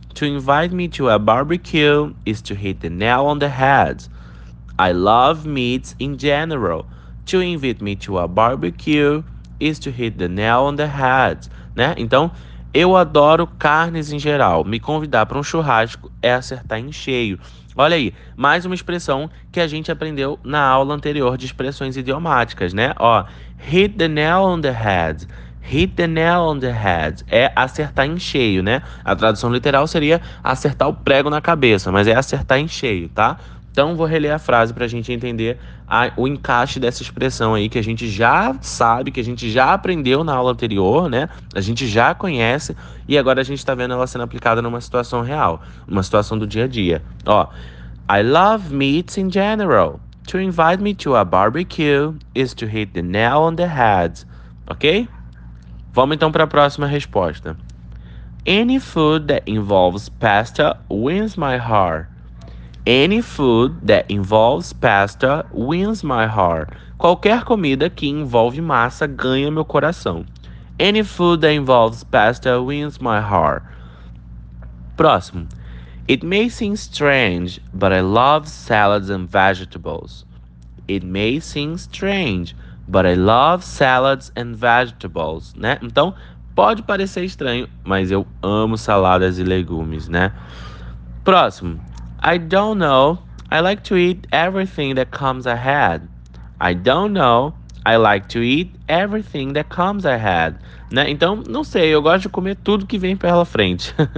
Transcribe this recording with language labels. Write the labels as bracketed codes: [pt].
[en] To invite me to a barbecue is to hit the nail on the head. I love meats in general. To invite me to a barbecue is to hit the nail on the head. [pt] Né? Então, eu adoro carnes em geral. Me convidar para um churrasco é acertar em cheio. Olha aí, mais uma expressão que a gente aprendeu na aula anterior de expressões idiomáticas, né? [en] Ó, hit the nail on the head. Hit the nail on the head [pt] é acertar em cheio, né? A tradução literal seria acertar o prego na cabeça, mas é acertar em cheio, tá? Então, vou reler a frase para a gente entender o encaixe dessa expressão aí que a gente já sabe, que a gente já aprendeu na aula anterior, né? A gente já conhece e agora a gente está vendo ela sendo aplicada numa situação real, uma situação do dia a dia. [en] Ó, I love meats in general. To invite me to a barbecue is to hit the nail on the head, ok? [pt] Vamos então para a próxima resposta. [en] Any food that involves pasta wins my heart. Any food that involves pasta wins my heart. [pt] Qualquer comida que envolve massa ganha meu coração. [en] Any food that involves pasta wins my heart. [pt] Próximo. [en] It may seem strange, but I love salads and vegetables. It may seem strange, but I love salads and vegetables, né? [pt] Então, pode parecer estranho, mas eu amo saladas e legumes, né? Próximo. [en] I don't know. I like to eat everything that comes ahead. I don't know. I like to eat everything that comes ahead. [pt] Né? Então, não sei. Eu gosto de comer tudo que vem pela frente.